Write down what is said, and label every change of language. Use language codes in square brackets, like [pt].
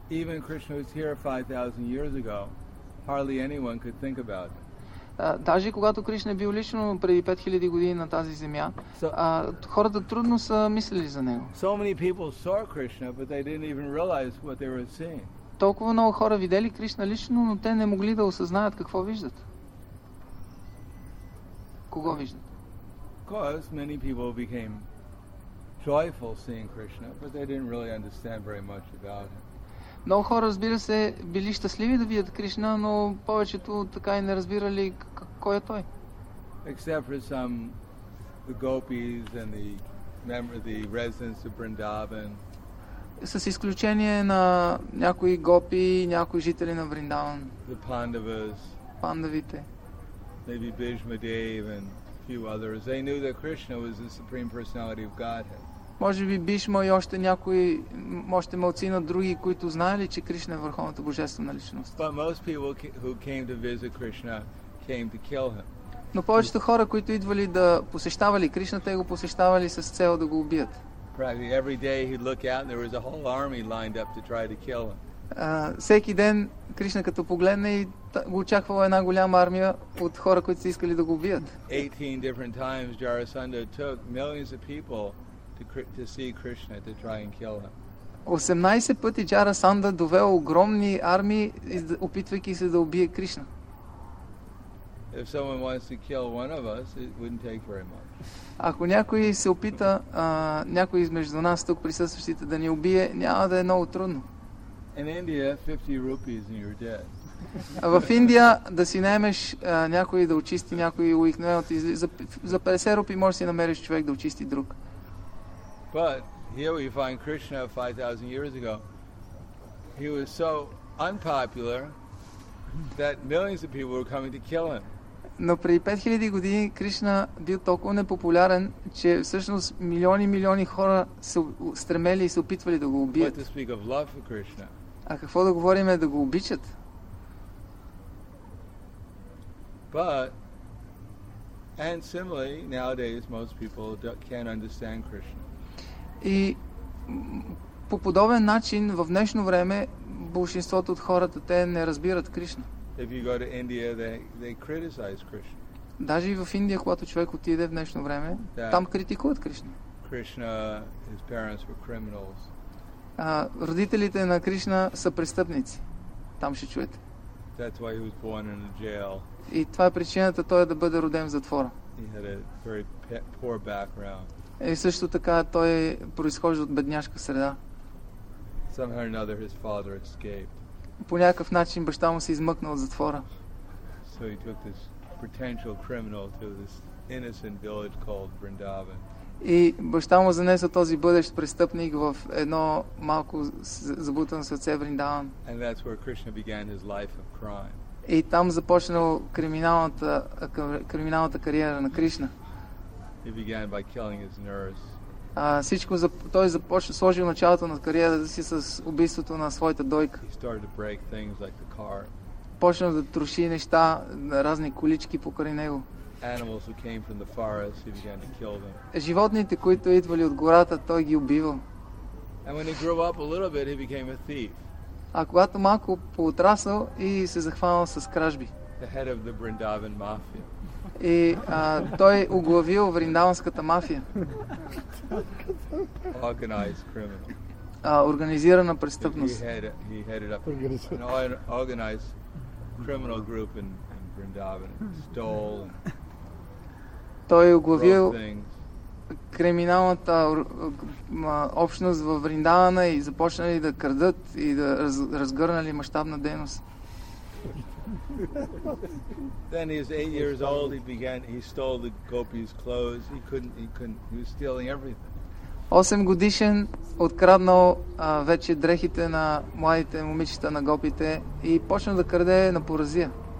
[en] Even Krishna was here 5000 years ago, hardly anyone could think about it. [bg] Даже когато Кришна е бил лично преди 5000 години на тази земя, хората трудно са мислили за него. [en] So many people saw Krishna, but they didn't even realize what they were seeing. [bg] Толкова много хора видели Кришна лично, но те не могли да осъзнаят какво виждат. Кого виждат? [en] Because many people became joyful seeing Krishna, but they didn't really understand very much about him. [bg] Много хора, разбира се, били щастливи да видят Кришна, но повечето така и не разбирали кой е той. [en] Except for some the gopis and the members of the residents of Vrindavan. [bg] С изключение на някои гопи, някои жители на Вриндаван. [en] The Pandavas. [bg] Пандавите. [en] Maybe Bhishma Dev and a few others. They knew that Krishna was the supreme personality of Godhead. [bg] Може би Бишма и още някои, още малцина други, които знаели, че Кришна е върховната божествена личност. [en] But most people who came to visit Krishna came to kill him. [bg] Но повечето хора, които идвали да посещавали Кришна, те го посещавали с цел да го убият. [en] Practically every day he'd look out and there was a whole army lined up to try to kill him. [bg] Всеки ден Кришна като погледне и го очаквала една голяма армия от хора, които са искали да го убият. [en] 18 different times Jarasandha took millions of people to see Krishna to try and kill him. [bg] 18 пъти Jarasandha довел огромни армии, опитвайки се да убие Кришна. [en] If someone wants to kill one of us, it wouldn't take very much. [bg] Ако някой се опита, някой измежду нас тук присъстващите да ни убие, няма да е много трудно. [en] In India, 50 rupees and you're dead. [bg] В Индия да си наймеш някой да очисти някой уикнел, за 50 рупи можеш да си намериш човек да очисти друг. [en] But here we find Krishna 5000 years ago. He was so unpopular that millions of people were coming to kill him. [bg] Но при 5000 години Кришна бил толкова непопулярен, че всъщност милиони и милиони хора се стремели и се опитвали да го убият. [en] What to speak of love for Krishna? [bg] А какво да говорим е да го обичат. [en] But and similarly, nowadays most people can't understand Krishna. [bg] И по подобен начин в днешно време болшинството от хората те не разбират Кришна. [en] If you go to India, they criticize Krishna. [bg] Даже и в Индия, когато човек отиде в днешно време, там критикуват Кришна. [en] Krishna, his parents were criminals. [bg] Родителите на Кришна са престъпници. Там ще чуете. [en] That's why he was born in a jail. [bg] И това е причината той да бъде роден в затвора. [en] He had a very poor background. [bg] И също така той произхожда от бедняшка среда. [en] Somehow or another his father escaped. [bg] По някакъв начин баща му се измъкнал от затвора. [en] So he took this potential criminal to this innocent village called Vrindavan. [bg] И баща му занесе този бъдещ престъпник в едно малко забутано сърце Вриндаван. [en] And that's where Krishna began his life of crime. [bg] И там започнал криминалната кариера на Кришна. [en] He began by killing his nurse. [bg] Той започна, сложил началото на кариерата си с убийството на своята дойка. [en] He started to break things like the car. [bg] Почнал да троши неща, разни колички покрай него. [en] Animals who came from the forest, he began to kill them. [bg] Животните, които идвали от гората, той ги убивал. [en] And when he grew up a little bit, he became a thief. [bg] А когато малко поотрасъл и се захванал с кражби. [en] The head of the Vrindavan mafia. [bg] И той оглавил Вриндаванската мафия. [en] Organized criminal. [bg] Организирана престъпност. [en] He headed up an organized criminal group in Vrindavan. Stole. [bg] Той оглавил криминалната общност във Вриндавана и започнали да крадат и да разгърнали мащабна дейност. [en] Then he was 8 years old, he stole the gopis' clothes. He couldn't, he was stealing everything. [bg] 8 годишен откраднал вече дрехите на младите момичета на гопите и почнал да краде на поразия.